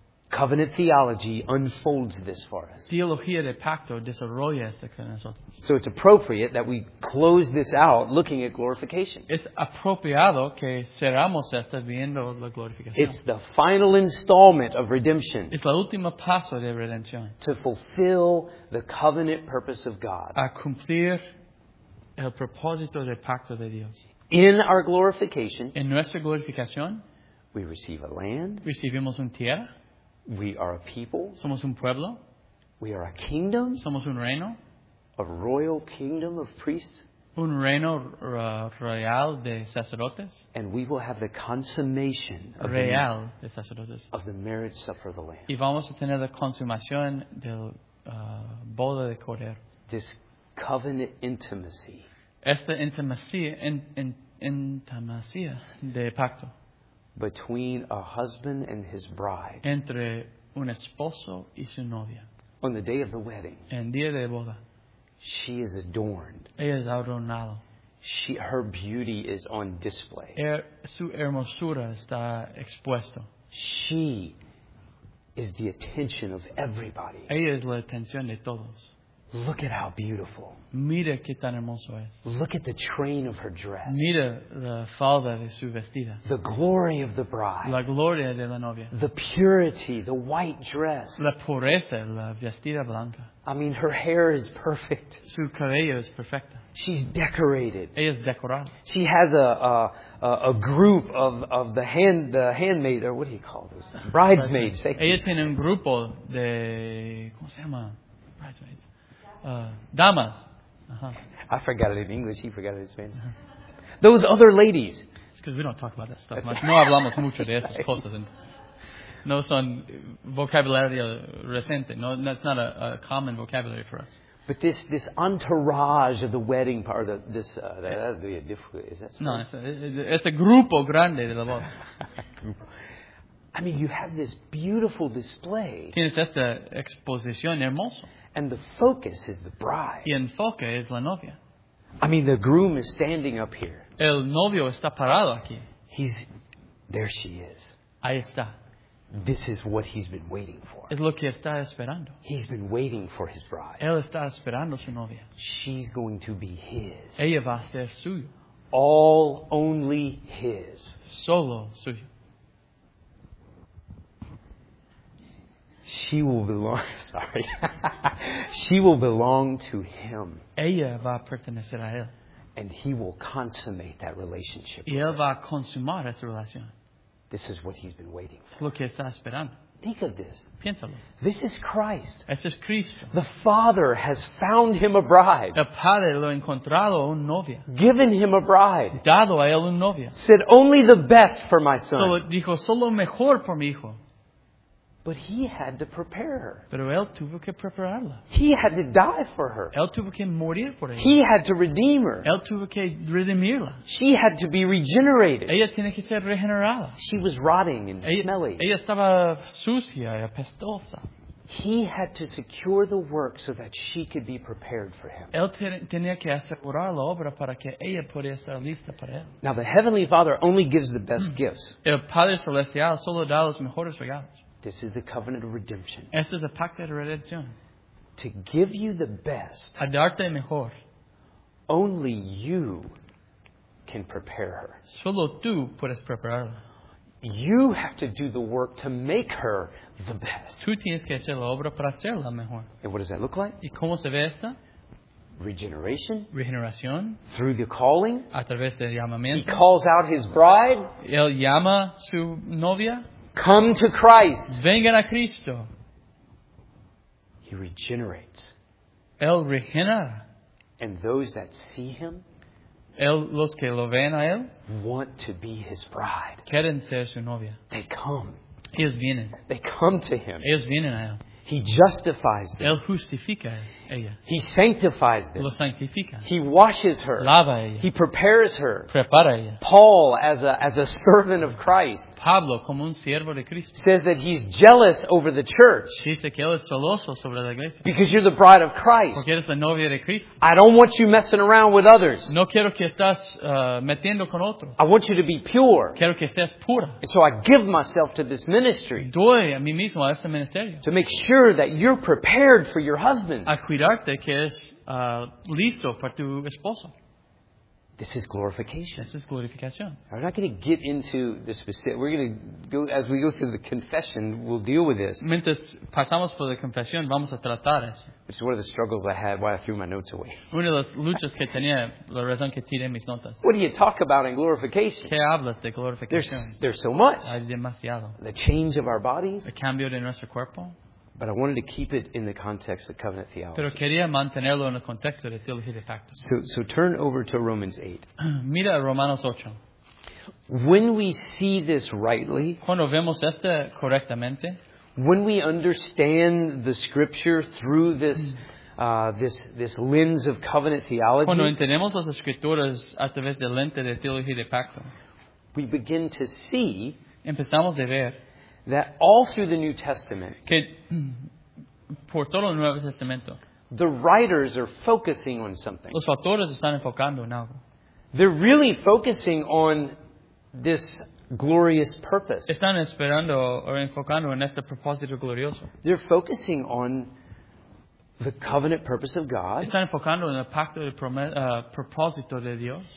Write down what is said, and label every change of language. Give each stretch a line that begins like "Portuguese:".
English: Covenant theology unfolds this for us.
Spanish: Teología de pacto desarrolla esto con nosotros.
English: So it's appropriate that we close this out looking at glorification.
Spanish: Es apropiado que cerramos esto viendo la glorificación.
English: It's the final installment of redemption.
Spanish: Es la última paso de redención.
English: To fulfill the covenant purpose of God.
Spanish: A cumplir el propósito del pacto de Dios.
English: In our glorification,
Spanish: en nuestra glorificación,
English: we receive a land.
Spanish: Recibimos un tierra.
English: We are a people.
Spanish: Somos un pueblo.
English: We are a kingdom.
Spanish: Somos un reino.
English: A royal kingdom of priests.
Spanish: Un reino real de sacerdotes.
English: And we will have the consummation
Spanish: real
English: of
Spanish: de sacerdotes.
English: Of the marriage supper of the Lamb.
Spanish: Y vamos a tener la consumación del boda de cordero.
English: This covenant intimacy.
Spanish: Esta intimacia, intimacia de pacto.
English: Between a husband and his bride.
Spanish: Entre un esposo y su novia.
English: On the day of the wedding.
Spanish: En día de boda.
English: She is adorned.
Spanish: Ella es adornada.
English: Her beauty is on display.
Spanish: Su hermosura está expuesto.
English: She is the attention of everybody.
Spanish: Ella es la atención de todos.
English: Look at how beautiful.
Spanish: Mira qué tan hermoso es.
English: Look at the train of her dress.
Spanish: Mira la falda de su vestida.
English: The glory of the bride.
Spanish: La gloria de la novia.
English: The purity, the white dress.
Spanish: La pureza, la vestida blanca.
English: I mean, her hair is perfect.
Spanish: Su cabello es perfecta.
English: She's decorated.
Spanish: Ella es decorada.
English: She has a group of the handmaid, or what do you call those? Bridesmaids.
Spanish: Ella tiene un grupo de, ¿cómo se llama?
English: Bridesmaids. Damas. Uh-huh. I forgot it in English. He forgot it in Spanish. Uh-huh. Those other ladies. It's because we don't talk about that stuff much.
Spanish: No hablamos mucho de esas cosas. No son vocabulario reciente.
English: No, that's not a common vocabulary for us. But this entourage of the wedding part, that would be a difficult. Is that
Spanish: no,
English: it's a
Spanish: grupo grande de la boda.
English: I mean, you have this beautiful display.
Spanish: Tienes esta exposición hermosa.
English: And the focus is the bride.
Spanish: Y enfoque es la novia.
English: I mean, the groom is standing up here.
Spanish: El novio está parado aquí.
English: He's there. She is.
Spanish: Ahí está.
English: This is what he's been waiting for.
Spanish: Es lo que está esperando.
English: He's been waiting for his bride.
Spanish: Él está esperando su novia.
English: She's going to be his.
Spanish: Ella va a ser suyo.
English: All only his.
Spanish: Solo suyo.
English: She will belong. Sorry, she will belong to him.
Spanish: Ella va a pertenecer a él.
English: And he will consummate that relationship.
Spanish: Y él va a consumar esa relación.
English: This is what he's been waiting for.
Spanish: Lo que está esperando.
English: Think of this.
Spanish: Piénsalo.
English: This is Christ.
Spanish: Este es Cristo.
English: The Father has found him a bride.
Spanish: El padre lo ha encontrado una novia.
English: Given him a bride.
Spanish: Dado a él una novia.
English: Said only the best for my son.
Spanish: Solo dijo solo mejor por mi hijo.
English: But he had to prepare her.
Spanish: Pero él tuvo que prepararla.
English: He had to die for her.
Spanish: Él tuvo que morir por ella.
English: He had to redeem her.
Spanish: Él tuvo que redimirla.
English: She had to be regenerated.
Spanish: Ella tiene que ser regenerada.
English: She was rotting and smelly.
Spanish: Ella estaba sucia y apestosa.
English: He had to secure the work so that she could be prepared for him.
Spanish: Él tenía que asegurar la obra para que ella pudiera estar lista para él.
English: Now the Heavenly Father only gives the best gifts.
Spanish: El Padre Celestial solo da los mejores regalos.
English: This is the covenant of redemption.
Spanish: Este es el pacto de redención.
English: To give you the best.
Spanish: A darte mejor.
English: Only you can prepare her.
Spanish: Solo tú puedes prepararla.
English: You have to do the work to make her the best.
Spanish: Tú tienes que hacer la obra para hacerla mejor.
English: And what does that look like?
Spanish: ¿Y cómo se ve esta?
English: Regeneration.
Spanish: Regeneración.
English: Through the calling.
Spanish: A través del llamamiento.
English: He calls out his bride.
Spanish: Él llama su novia.
English: Come to Christ.
Spanish: Vengan a Cristo.
English: He regenerates.
Spanish: Él regenera.
English: And those that see him.
Spanish: Él, los que lo ven a él.
English: Want to be his bride.
Spanish: Quieren ser su novia.
English: They come.
Spanish: Ellos vienen.
English: They come to him.
Spanish: Ellos vienen a él.
English: He justifies them.
Spanish: Él justifica ella.
English: He sanctifies them.
Spanish: Lo sanctifica.
English: He washes her.
Spanish: Lava ella.
English: He prepares her.
Spanish: Prepara ella.
English: Paul, as a servant of Christ,
Spanish: Pablo, como un siervo de Cristo,
English: says that he's jealous over the church.
Spanish: Dice que él es celoso sobre la iglesia.
English: Because you're the bride of Christ.
Spanish: Porque eres la novia de Cristo.
English: I don't want you messing around with others.
Spanish: No quiero que estás metiendo con otros.
English: I want you to be pure.
Spanish: Quiero que estés pura.
English: And so I give myself to this ministry.
Spanish: Doy a mí mismo a este ministerio.
English: To make sure that you're prepared for your husband.
Spanish: A cuidarte que es listo para tu esposo.
English: This is glorification. This is glorificación. We're not going to get into the specific. We're going to go as we go through the confession. We'll deal with this.
Spanish: Mientras pasamos por la confesión, vamos a tratar eso.
English: Which is one of the struggles I had. Why I threw my notes away.
Spanish: Una de las luchas que tenía, la razón que tiré mis notas.
English: What do you talk about in glorification?
Spanish: ¿Qué hablas de glorificación?
English: There's so much.
Spanish: Hay demasiado.
English: The change of our bodies.
Spanish: El cambio de nuestro cuerpo.
English: But I wanted to keep it in the context of covenant theology.
Spanish: Pero quería mantenerlo en el contexto de teología de pacto.
English: So turn over to Romans 8.
Spanish: Mira Romanos 8.
English: When we see this rightly,
Spanish: cuando vemos esto correctamente,
English: when we understand the scripture through this this lens of covenant theology,
Spanish: cuando entendemos las escrituras a través del lente de teología de pacto,
English: we begin to see,
Spanish: empezamos de ver,
English: that all through the New Testament,
Spanish: que por todo el Nuevo Testamento,
English: the writers are focusing on something.
Spanish: Los autores están enfocando en algo.
English: They're really focusing on this glorious purpose.
Spanish: Están esperando o enfocando en este propósito glorioso.
English: They're focusing on the covenant purpose of God.
Spanish: Están enfocando en el pacto de propósito de Dios.